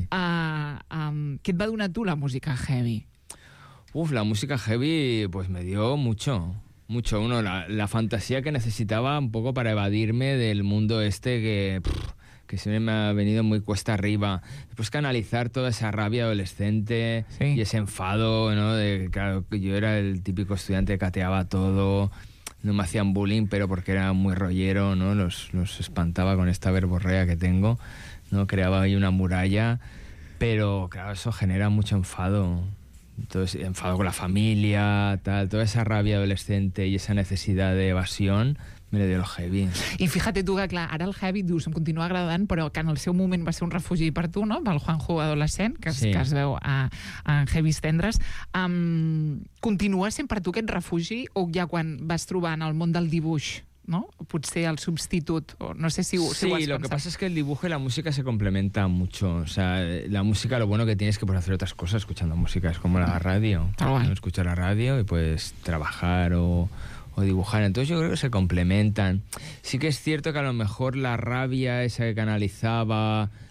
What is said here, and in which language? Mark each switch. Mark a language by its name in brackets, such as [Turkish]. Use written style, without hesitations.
[Catalan] Què et va donar tu la música heavy? [Spanish] Uf, la música heavy pues me dio mucho, mucho uno. La fantasía que necesitaba un poco para evadirme del mundo este que siempre me ha venido muy cuesta arriba. Después canalizar toda esa rabia adolescente, sí, y ese enfado, ¿no? De, claro, yo era el típico estudiante que cateaba todo. No me hacían bullying, pero porque era muy rollero, ¿no? Los espantaba con esta verborrea que tengo, ¿no? Creaba ahí una muralla. Pero, claro, eso genera mucho enfado. Entonces, enfado con la familia, tal. Toda esa rabia adolescente y esa necesidad de evasión me le dio el heavy. [Catalan] I [Spanish] fíjate tu [Catalan] que, clar, ara el heavy, dius, em continua agradant, però que en el seu moment va ser un refugi per tu, no? Pel Juanjo adolescent, que, sí, que es veu a Heavy Tendres. Continua sent per tu aquest refugi o ja quan vas trobar en el món del dibuix, no? Potser el substitut, o no sé si ho has pensat. [Spanish] Sí, lo que pasa es que el dibujo y la música se complementan mucho. O sea, la música, lo bueno que tienes es que puedes hacer otras cosas escuchando música. Es como la radio. Bueno. Escucho la radio y puedes trabajar o dibujar. Entonces yo creo que se complementan. Sí que es cierto que a lo mejor la rabia esa que canalizaba...